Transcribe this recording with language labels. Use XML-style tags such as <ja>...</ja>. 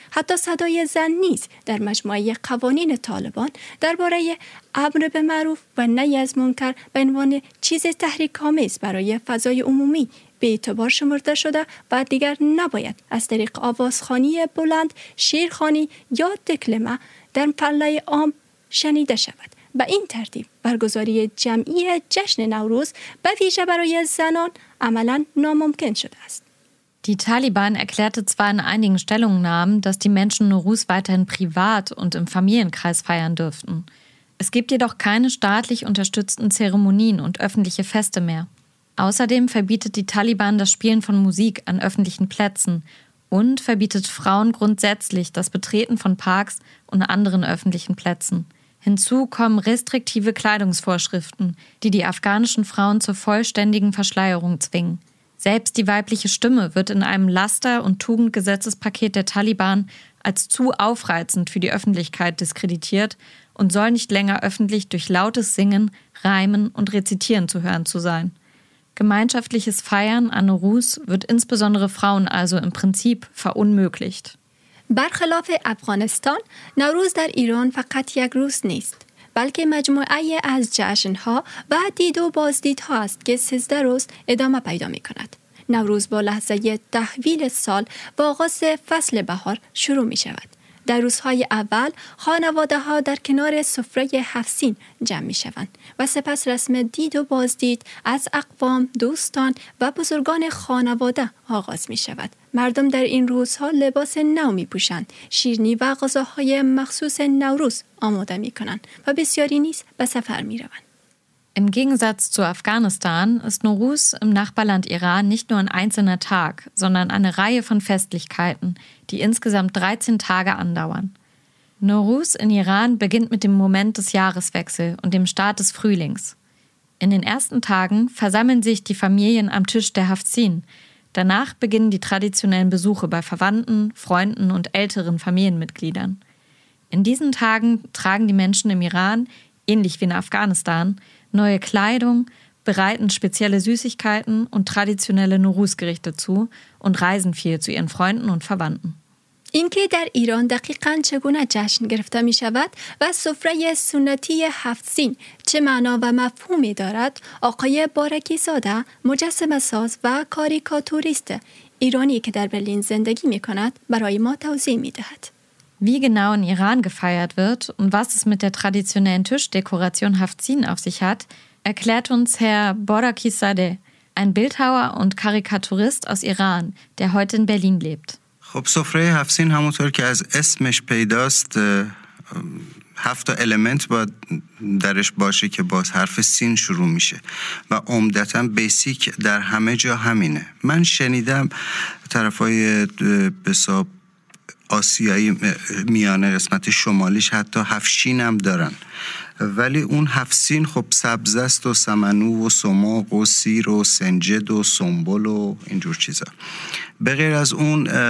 <fa>حتی صدای زن نیز در مجموعه قوانین طالبان درباره امر به معروف و نهی از منکر به عنوان چیز تحریک‌آمیز برای فضای عمومی به اعتبار شمرده شده و دیگر نباید از طریق آوازخوانی بلند، شیرخوانی یا دکلمه در پله عام شنیده شود. به این ترتیب برگزاری جمعی جشن نوروز به ویژه برای زنان عملا ناممکن شده است.</fa> <de>Die Taliban erklärte zwar in einigen Stellungnahmen, dass die Menschen Nowruz weiterhin privat und im Familienkreis feiern dürften. Es gibt jedoch keine staatlich unterstützten Zeremonien und öffentliche Feste mehr. Außerdem verbietet die Taliban das Spielen von Musik an öffentlichen Plätzen und verbietet Frauen grundsätzlich das Betreten von Parks und anderen öffentlichen Plätzen. Hinzu kommen restriktive Kleidungsvorschriften, die die afghanischen Frauen zur vollständigen Verschleierung zwingen. Selbst die weibliche Stimme wird in einem Laster- und Tugendgesetzespaket der Taliban als zu aufreizend für die Öffentlichkeit diskreditiert und soll nicht länger öffentlich durch lautes Singen, Reimen und Rezitieren zu hören zu sein. Gemeinschaftliches Feiern an Nowruz wird insbesondere Frauen also im Prinzip verunmöglicht.</de> <fa>برخلاف افغانستان، نوروز در ایران فقط یک روز نیست، بلکه مجموعه از جشنها و دید و بازدیدها است که 13 روز ادامه پیدا می کند. نوروز با لحظه تحویل سال و آغاز فصل بهار شروع می شود. در روزهای اول، خانواده ها در کنار سفره هفت‌سین جمع می شوند و سپس رسم دید و بازدید از اقوام، دوستان و بزرگان خانواده آغاز می شود. مردم در این روزها لباس نو می پوشند، شیرنی و غذاهای مخصوص نوروز آماده می کنند و بسیاری نیز به سفر می روند.</fa> <de>Im Gegensatz zu Afghanistan ist Nowruz im Nachbarland Iran nicht nur ein einzelner Tag, sondern eine Reihe von Festlichkeiten, die insgesamt 13 Tage andauern. Nowruz in Iran beginnt mit dem Moment des Jahreswechsels und dem Start des Frühlings. In den ersten Tagen versammeln sich die Familien am Tisch der Hafzin. Danach beginnen die traditionellen Besuche bei Verwandten, Freunden und älteren Familienmitgliedern. In diesen Tagen tragen die Menschen im Iran, ähnlich wie in Afghanistan, neue Kleidung, bereiten spezielle Süßigkeiten und traditionelle Nowruz-Gerichte zu und reisen viel zu ihren Freunden und Verwandten.</de> <fa>اینکه در ایران دقیقاً چگونه جشن گرفته می شود و سفره سنتی هفت‌سین چه معنا و مفهومی دارد، آقای بارکی‌زاده، مجسمه‌ساز و کاریکاتوریست ایرانی که در برلین زندگی می کند، برای ما توضیح می دهد.</fa> <de>Wie genau in Iran gefeiert wird und was es mit der traditionellen Tischdekoration Hafzin auf sich hat, erklärt uns Herr Borakizadeh, ein Bildhauer und Karikaturist aus Iran, der heute in Berlin lebt.</de> <fa>خب سفره هفت‌سین همونطور که از اسمش پیداست هفت element با درش باشه که باز حرف سین شروع میشه و عمدتاً بیسیک در همه جا همینه. من شنیدم طرفای بساب آسیایی میانه قسمت شمالیش حتی هفشین هم دارن، ولی اون هفشین خب سبزست و سمنو و سماق و سیر و سنجد و سنبل و اینجور چیزا. به غیر از اون</fa>